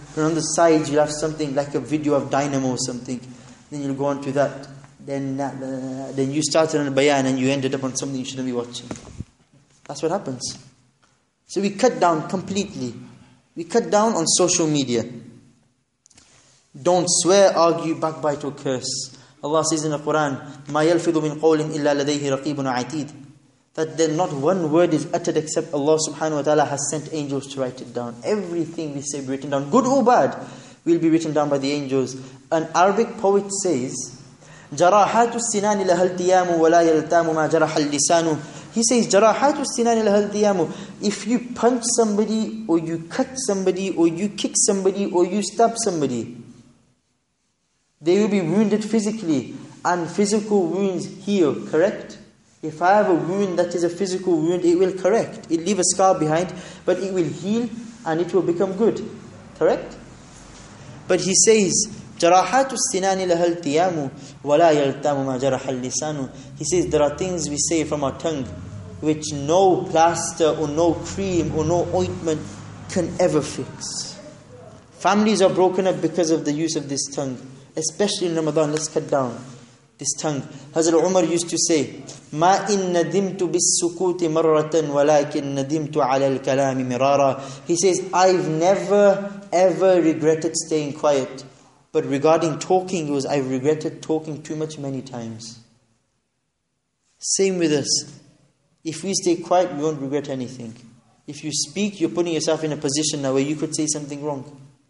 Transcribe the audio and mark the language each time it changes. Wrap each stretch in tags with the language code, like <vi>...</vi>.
<en>And on the side, you'll have something like a video of Dynamo or something. Then you'll go on to that. Then you started on a bayan and you ended up on something you shouldn't be watching. That's what happens. So we cut down completely. We cut down on social media. Don't swear, argue, backbite or curse. Allah says in the Quran,</en> <ar>مَا يَلْفِظُ مِنْ قَوْلٍ إِلَّا لَدَيْهِ رَقِيبٌ عَتِيدٌ.</ar> <en>That then not one word is uttered except Allah subhanahu wa ta'ala has sent angels to write it down. Everything we say will be written down, good or bad, will be written down by the angels. An Arabic poet says,</en> <ar>جَرَاحَاتُ السِّنَانِ لَهَا الْتِيَامُ وَلَا يَلْتَامُ مَا جَرَحَ اللِّسَانُ.</ar> <en>He says,</en> <ar>جَرَاحَاتُ السِّنَانِ لَهَا الْتِيَامُ.</ar> <en>If you punch somebody, or you cut somebody, or you kick somebody, or you stab somebody, they will be wounded physically, and physical wounds heal, correct? If I have a wound that is a physical wound, it will correct. It leave a scar behind, but it will heal and it will become good, correct? But he says,</en> <ar>جَرَاحَاتُ السِّنَانِ لَهَا الْتِيَامُ وَلَا يَلْتَامُ مَا جَرَحَ اللِّسَانُ.</ar> <en>He says, there are things we say from our tongue which no plaster or no cream or no ointment can ever fix. Families are broken up because of the use of this tongue. Especially in Ramadan, let's cut down this tongue. Hazrat Umar used to say,</en> <ar>مَا إِن نَدِمْتُ بِالسُّكُوتِ مَرَّةً وَلَاكِن نَدِمْتُ عَلَى الْكَلَامِ مِرَارًا.</ar> <en>He says, I've never ever regretted staying quiet. But regarding talking, I've regretted talking too much many times. Same with us. If we stay quiet, we won't regret anything. If you speak, you're putting yourself in a position now where you could say something wrong.</en>